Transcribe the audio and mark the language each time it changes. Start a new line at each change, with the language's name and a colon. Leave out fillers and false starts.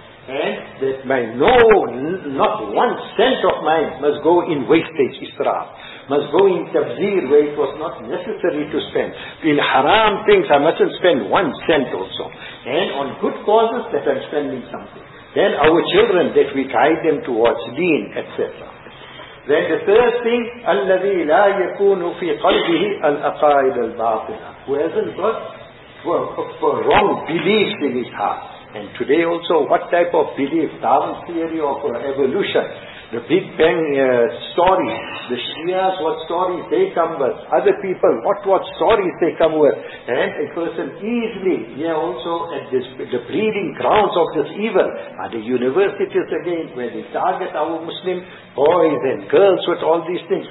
English: And that my not 1 cent of mine must go in wastage, israf. Must go in tabzir where it was not necessary to spend. In haram things, I mustn't spend 1 cent also. And on good causes that I'm spending something. Then our children, that we guide them towards deen, etc. Then the third thing,
Arabic: الَّذِي لَا يَكُونُ فِي قَلْبِهِ الْأَقَائِدَ الْبَاطِنَ.
English: Who hasn't got for wrong beliefs in his heart. And today also, what type of belief, Darwin's theory of evolution, the Big Bang story, the Shias, what stories they come with, other people, what stories they come with, and a person easily, also at this, the breeding grounds of this evil, are the universities again, where they target our Muslim boys and girls with all these things.